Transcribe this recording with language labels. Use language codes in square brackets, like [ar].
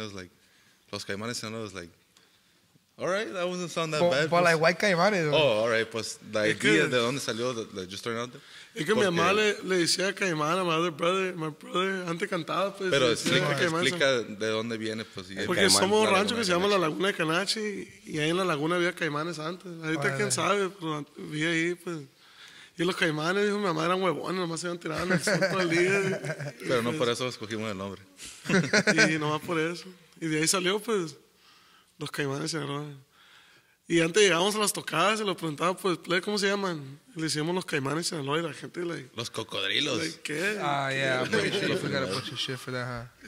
[en] And it was like, Los Caimanes de Sinaloa was like, all right, that wasn't sound that bad. But like, white caimanes. Oh, all right, [es] pues, la idea que, de dónde salió, [en] like, just turned out there. [es] Es que mi mamá le decía caimana, [en] my brother, [es] antes cantaba, pues. Pero explica de dónde viene, pues. Porque somos un rancho que se llama La Laguna de Canachi, y ahí en La Laguna había caimanes antes. Ahorita, vale, quién sabe, pero vi ahí, pues. Y los caimanes, dijo mi mamá, eran huevones, nomás se iban tirando el sol. Pero no, pues, por eso escogimos el nombre. Y nomás por eso. Y de ahí salió, pues, Los Caimanes, ¿no? Y antes llegábamos a las tocadas, se lo preguntaba, pues, ¿cómo se llaman? Y le decíamos Los Caimanes, ¿no? Y la gente, like, Los Cocodrilos. Like, ¿qué? [en] Ah, yeah. We got a bunch of shit for that, huh?